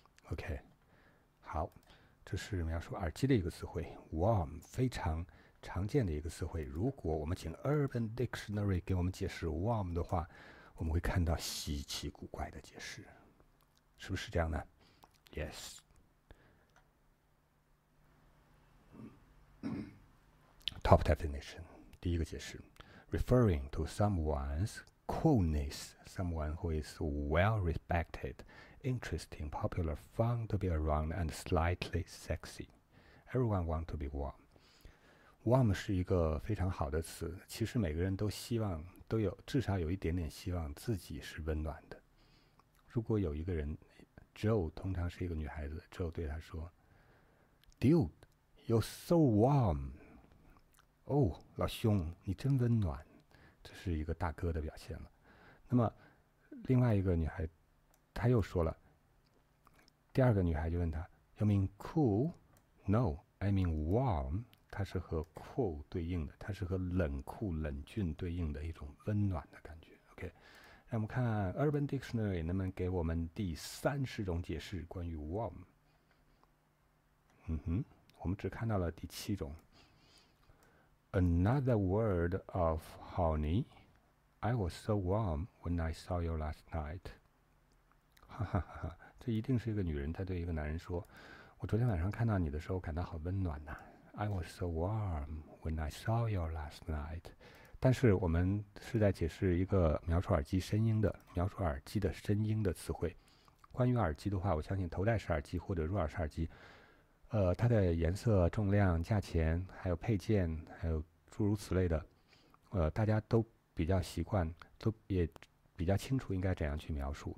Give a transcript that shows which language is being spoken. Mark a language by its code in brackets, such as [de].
[zh] OK，好，这是描述耳机的一个词汇，warm 非常常见的一个词汇。如果我们请 Urban Dictionary 给我们解释 warm 的话，我们会看到稀奇古怪的解释，是不是这样呢？Yes。 [en] Top definition， [zh] 第一个解释， [en] referring to someone's coolness, someone who is well respected, interesting, popular, fun to be around, and slightly sexy. Everyone want to be warm. [zh] Warm 是一个非常好的词，其实每个人都希望，都有至少有一点点希望自己是温暖的。如果有一个人 ，Joe 通常是一个女孩子 ，Joe 对她说 ， [en] Dude, you're so warm. [zh] 哦，老兄，你真温暖，这是一个大哥的表现了。那么，另外一个女孩，她又说了。第二个女孩就问她 ， [en] You mean cool? No, I mean warm. [zh] 它是和 cool 对应的，它是和冷酷、冷峻对应的一种温暖的感觉。 OK， 让我们看 Urban Dictionary 能不能给我们第30种解释关于 warm。嗯哼，我们只看到了第7种。 [en] Another word of honey. I was so warm when I saw you last night. [zh] 哈哈哈哈，这一定是一个女人在对一个男人说，我昨天晚上看到你的时候感到好温暖啊。 [en] I was so warm when I saw you last night. [zh] 但是我们是在解释一个描述耳机声音的，描述耳机的声音的词汇。关于耳机的话，我相信头戴式耳机或者入耳式耳机，它的颜色、重量、价钱，还有配件，还有诸如此类的，大家都比较习惯，都也比较清楚应该怎样去描述。